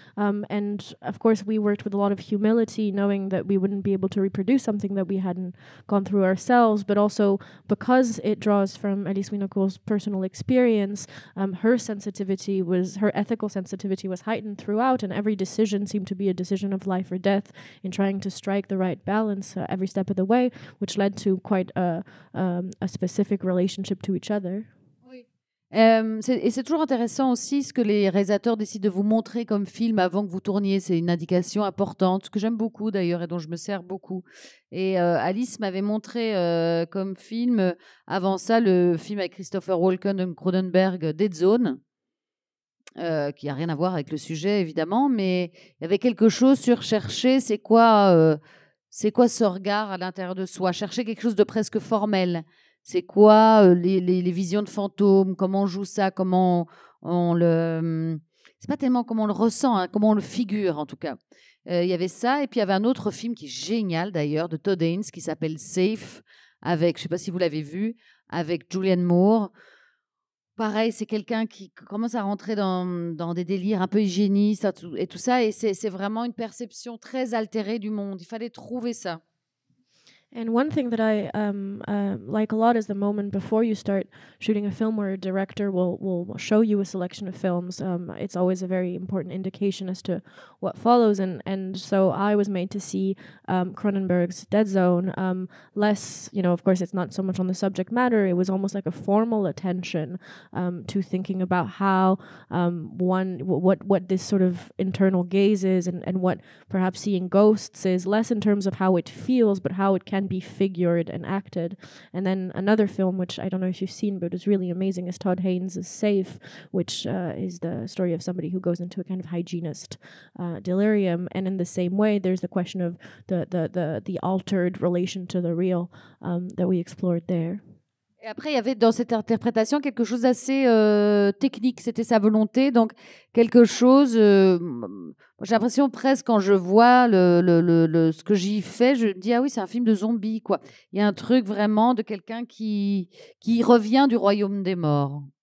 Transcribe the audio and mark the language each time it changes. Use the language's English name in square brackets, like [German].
[English] And of course, we worked with a lot of humility, knowing that we wouldn't be able to reproduce something that we hadn't gone through ourselves, but also because it draws from Alice Winocour's personal experience, her ethical sensitivity was heightened throughout, and every decision seemed to be a decision of life or death in trying to strike the right balance every step of the way, which led to quite a specific relationship to each other. [French] C'est toujours intéressant aussi ce que les réalisateurs décident de vous montrer comme film avant que vous tourniez. C'est une indication importante, ce que j'aime beaucoup d'ailleurs et dont je me sers beaucoup. Et Alice m'avait montré comme film avant ça le film avec Christopher Walken de Cronenberg, Dead Zone, qui n'a rien à voir avec le sujet évidemment, mais il y avait quelque chose sur chercher c'est quoi ce regard à l'intérieur de soi, chercher quelque chose de presque formel. C'est quoi les visions de fantômes, comment on joue ça, comment on le... C'est pas tellement comment on le ressent, hein, comment on le figure, en tout cas. Il y avait ça, et puis il y avait un autre film qui est génial, d'ailleurs, de Todd Haynes, qui s'appelle Safe, avec, je sais pas si vous l'avez vu, avec Julianne Moore. Pareil, c'est quelqu'un qui commence à rentrer dans des délires un peu hygiénistes et tout ça, et c'est vraiment une perception très altérée du monde. Il fallait trouver ça. [English] And one thing that I like a lot is the moment before you start shooting a film where a director will show you a selection of films. It's always a very important indication as to what follows. And so I was made to see Cronenberg's Dead Zone. Less, you know, of course, it's not so much on the subject matter. It was almost like a formal attention to thinking about how what this sort of internal gaze is and what perhaps seeing ghosts is, less in terms of how it feels, but how it can be figured and acted. And then another film, which I don't know if you've seen, but is really amazing, is Todd Haynes' Safe, which is the story of somebody who goes into a kind of hygienist delirium. And in the same way, there's the question of the altered relation to the real that we explored there. [French] Et après, il y avait dans cette interprétation quelque chose d'assez technique. C'était sa volonté. Donc, quelque chose... j'ai l'impression presque, quand je vois le ce que j'y fais, je me dis, ah oui, c'est un film de zombies, quoi. Il y a un truc vraiment de quelqu'un qui revient du royaume des morts.